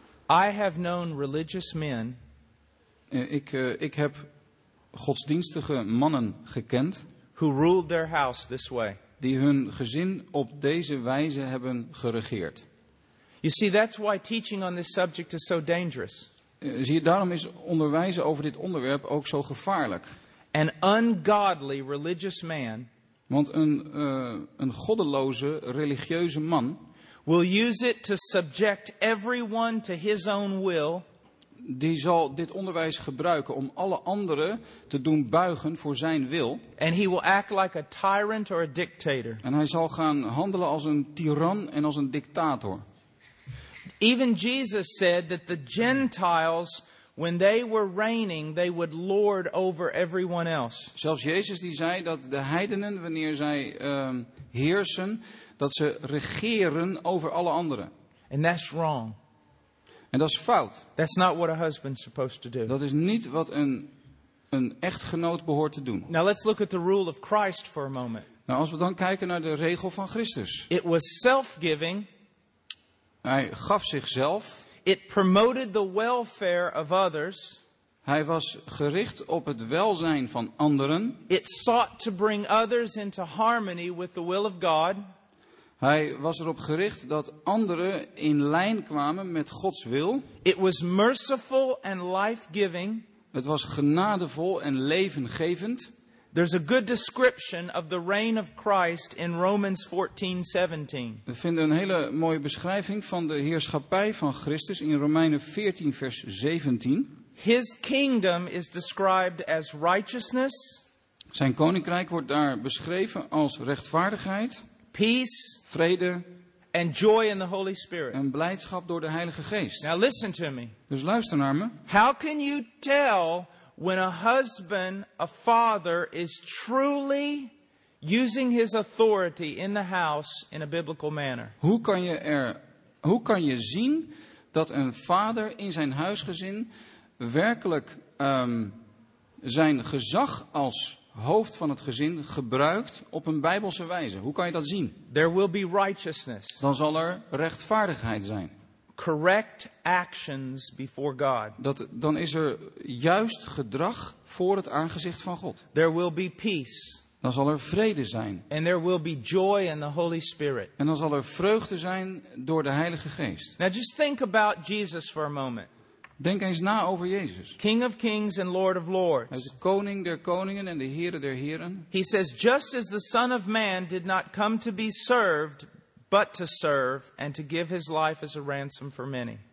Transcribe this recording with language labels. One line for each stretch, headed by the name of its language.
English: I have known religious men.
Dutch: Ik heb godsdienstige mannen gekend.
English: Who ruled their house this way.
Dutch: Die hun gezin op deze wijze hebben geregeerd.
English: You see, that's why teaching on this subject is so dangerous.
Dutch: Zie je, daarom is onderwijzen over dit onderwerp ook zo gevaarlijk.
English: An ungodly religious man.
Dutch: Want een goddeloze religieuze man.
English: Will use it to subject everyone to his own will.
Dutch: Die zal dit onderwijs gebruiken om alle anderen te doen buigen voor zijn wil.
English: And he will act like a tyrant or a dictator.
Dutch: En hij zal gaan handelen als een tiran en als een dictator.
English: Even Jesus said that the Gentiles, when they were reigning, they would lord over everyone else.
Dutch: Zelfs Jezus die zei dat de heidenen, wanneer zij heersen, dat ze regeren over alle anderen.
English: And that's wrong.
Dutch: En dat is fout.
English: That's not what a husband's supposed to do.
Dutch: Dat is niet wat een echtgenoot behoort te doen.
English: Now let's look at the rule of Christ for a moment.
Dutch: Nou, als we dan kijken naar de regel van Christus.
English: It was self-giving.
Dutch: Hij gaf zichzelf.
English: It promoted the welfare of others.
Dutch: Hij was gericht op het welzijn van anderen.
English: It sought to bring others into harmony with the will of God.
Dutch: Hij was erop gericht dat anderen in lijn kwamen met Gods wil.
English: It was merciful and life-giving.
Dutch: Het was genadevol en levengevend.
English: There's a good description of the reign of Christ in Romans 14:17.
Dutch: We vinden een hele mooie beschrijving van de heerschappij van Christus in Romeinen 14, vers 17.
English: His kingdom is described as righteousness.
Dutch: Zijn koninkrijk wordt daar beschreven als rechtvaardigheid.
English: Peace,
Dutch: vrede,
English: and joy in the Holy Spirit.
Dutch: En blijdschap door de Heilige Geest.
English: Now listen to me.
Dutch: Dus luister naar me.
English: How can you tell when a husband, a father, is truly using his authority in the house in a biblical manner?
Dutch: Hoe kan je zien dat een vader in zijn huisgezin werkelijk zijn gezag als hoofd van het gezin gebruikt op een bijbelse wijze? Hoe kan je dat zien?
English: There will be righteousness.
Dutch: Dan zal er rechtvaardigheid zijn.
English: Correct actions before God.
Dutch: Dan is er juist gedrag voor het aangezicht van God.
English: There will be peace.
Dutch: Dan zal er vrede zijn.
English: And there will be joy in the Holy Spirit.
Dutch: En dan zal er vreugde zijn door de Heilige Geest.
English: Now just think about Jesus for a moment.
Dutch: Denk eens na over Jezus.
English: King of kings and Lord of lords.
Dutch: Hij is de koning der koningen en de Heere der heren.
English: He says, just as the Son of Man did not come to be served, but to serve and to give his life as a ransom for many.